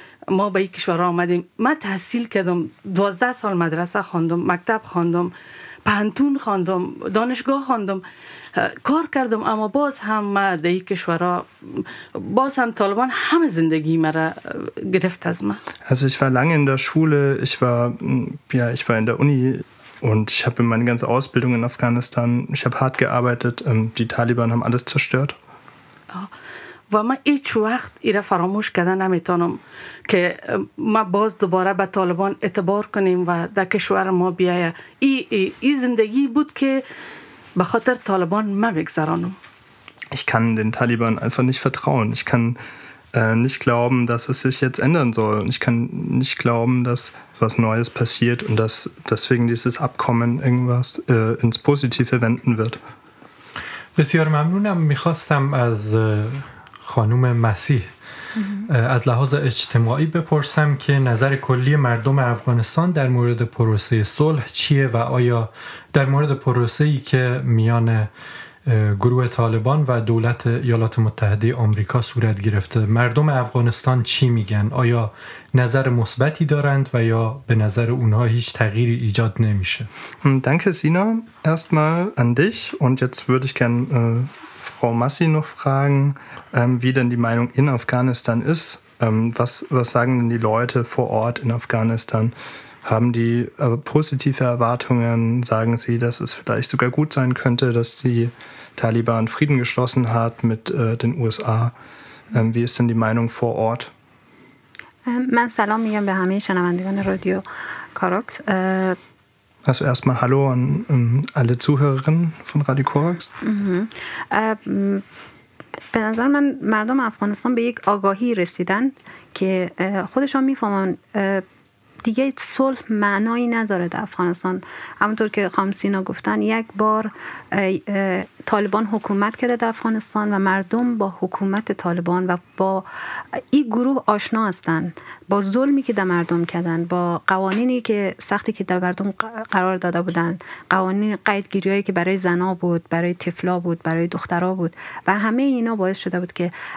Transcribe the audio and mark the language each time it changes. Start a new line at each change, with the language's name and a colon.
Persian: ما به این کشور آمدیم ما تحصیل کردم 12 سال مدرسه خواندم مکتب خواندم پانتون خواندم دانشگاه خواندم کار کردم اما باز هم ما در این کشور باز هم طالبان همه زندگی مرا گرفت از من
German: Also ich war lange in der Schule ich war in der Uni Und ich habe meine ganze Ausbildung in Afghanistan, ich habe hart gearbeitet, die Taliban haben alles zerstört.
Persian: و من هیچ وقت ایره فراموش کرده نمیتونم که ما باز دوباره به طالبان اعتبار کنیم و در کشور ما بیایه ای زندگی بود که بخاطر طالبان ما بگذرانم
German: Ich kann den Taliban einfach nicht vertrauen. Ich kann nicht glauben, dass es sich jetzt ändern soll. Ich kann nicht glauben, dass was Neues passiert und dass deswegen dieses Abkommen irgendwas ins Positive wenden wird.
Persian: بسیار ممنونم. میخواستم از خانوم مسیح از لحاظ اجتماعی بپرسم که نظر کلی مردم افغانستان در مورد پروسه صلح چیه و آیا در مورد پروسه‌ای که میان گروه طالبان و دولت ایالات متحده آمریکا صورت گرفته مردم افغانستان چی میگن؟ آیا نظر مثبتی دارند و یا به نظر اونها هیچ تغییری ایجاد نمیشه؟
German: Danke Sina, erstmal an dich und jetzt würde ich gern Frau Massi noch fragen, wie denn die Meinung in Afghanistan ist. Was sagen denn die Leute vor Ort in Afghanistan? Haben die positive Erwartungen? Sagen sie, dass es vielleicht sogar gut sein könnte, dass die Taliban Frieden geschlossen hat mit den USA? Wie ist denn die Meinung vor Ort?
Persian: Man salam miyam be hame shanavandigan radio Korax.
German: Also erstmal Hallo an alle Zuhörerinnen von Radio Korax.
Persian: به نظر من مردم افغانستان به یک آگاهی رسیدن که خودشان میفهمن دیگه صلح معنایی نداره در افغانستان. همونطور که خانم سینا گفتن یک بار طالبان حکومت کرده در افغانستان و مردم با حکومت طالبان و با این گروه آشنا هستن، با ظلمی که در مردم کردن، با قوانینی که سختی که در مردم قرار داده بودن، قوانین قیدگیری هایی که برای زنا بود، برای طفلا بود، برای دخترا بود و همه اینا باعث شده بود که